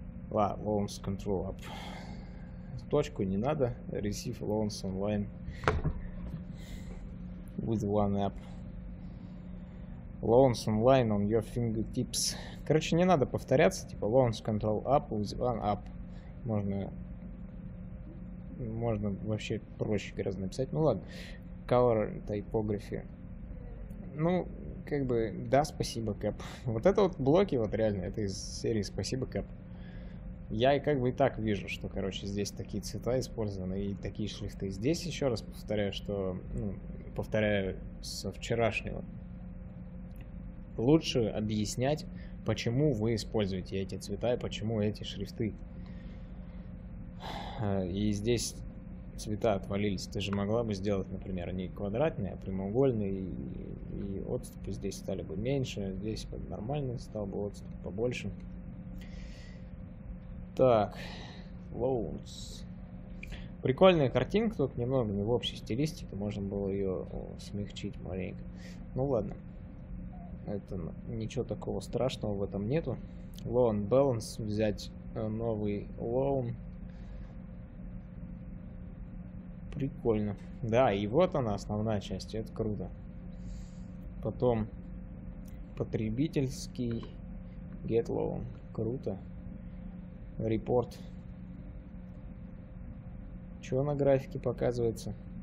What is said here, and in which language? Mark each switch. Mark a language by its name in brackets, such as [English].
[English] Loans control up. [Russian] Точку не надо. [English] Receive loans online with one app. Loans online on your fingertips. [Russian] Короче, не надо повторяться, типа [English] loans control up with one app. [Russian] Можно вообще проще гораздо написать. Ну ладно. [English] Color typography. [Russian] Ну, как бы, да, спасибо, Кэп. Вот это вот блоки, вот реально, это из серии спасибо, Кэп. Я и как бы и так вижу, что, короче, здесь такие цвета использованы и такие шрифты. Здесь еще раз повторяю, что, ну, повторяю со вчерашнего. Лучше объяснять, почему вы используете эти цвета и почему эти шрифты. И здесь цвета отвалились. Ты же могла бы сделать, например, не квадратные, а прямоугольные. И отступы здесь стали бы меньше. Здесь бы нормальный стал бы отступ побольше. Так, loans. Прикольная картинка, тут немного не в общей стилистике, можно было ее смягчить маленько. Ну ладно, это ничего такого страшного в этом нету. [English] Loan balance, [Russian] взять новый loan. Прикольно. Да, и вот она, основная часть, это круто. Потом потребительский [English] get loan, [Russian] круто. Репорт. Чего на графике показывается?